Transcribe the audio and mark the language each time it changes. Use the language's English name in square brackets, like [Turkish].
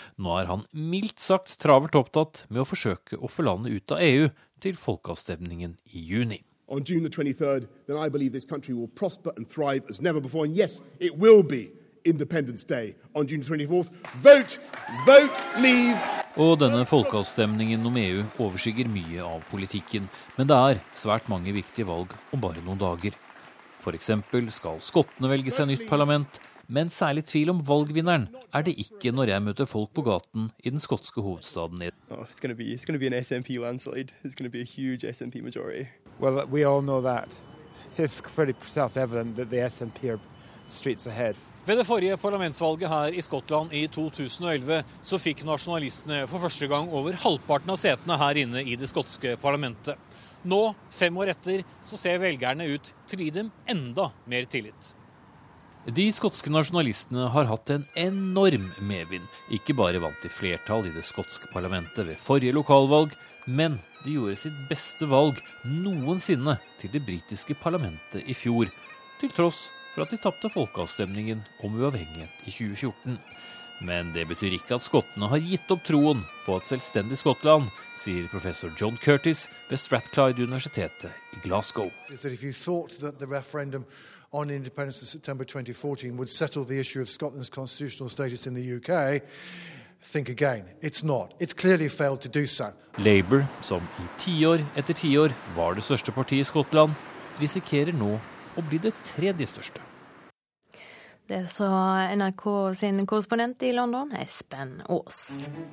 [Norwegian] Nå er han mildt sagt travelt opptatt med å forsøke å få landet ut av EU til folkeavstemningen i juni. [English] on June the 23rd, then I believe this country will prosper and thrive as never before. And yes, it will be Independence Day on June 24th. Vote, vote, leave. [Norwegian] Og denne folkeavstemningen om EU overskygger mye av politikken, men det svært mange viktige valg om bare noen dager. For eksempel skal skottene velge seg nytt parlament, men særlig tvil om valgvinneren det ikke når jeg møter folk på gaten i den skotske hovedstaden. [English] It's going to be an SNP landslide. It's going to be a huge SNP majority. Well, we all know that. It's pretty self-evident that the SNP are streets ahead. [Norwegian] Ved det forrige parlamentsvalget her i Skottland i 2011 så fikk nasjonalistene for første gang over halvparten av setene her inne i det skotske parlamentet. Nå, 5 år etter, så ser velgerne ut til å gi dem enda mer tillit. De skotske nasjonalistene har hatt en enorm medvind. Ikke bare vant de flertall i det skotske parlamentet ved forrige lokalvalg, men de gjorde sitt beste valg noensinne til det britiske parlamentet i fjor, til tross for at de tappte folkeavstemningen om uavhengighet i 2014. Men det betyr ikke at skottene har gitt opp troen på et selvstendig Skottland, sier professor John Curtis ved Strathclyde Universitetet i Glasgow. [English] If you thought that the referendum on independence in September 2014 would settle the issue of Scotland's constitutional status in the UK, think again. It's not. It's clearly failed to do so. [Norwegian] Labour, som i tiår etter tiår var det største partiet i Skottland, risikerer nå og blir det tredje største. Det sa NRK sin korrespondent i London, Espen Aas.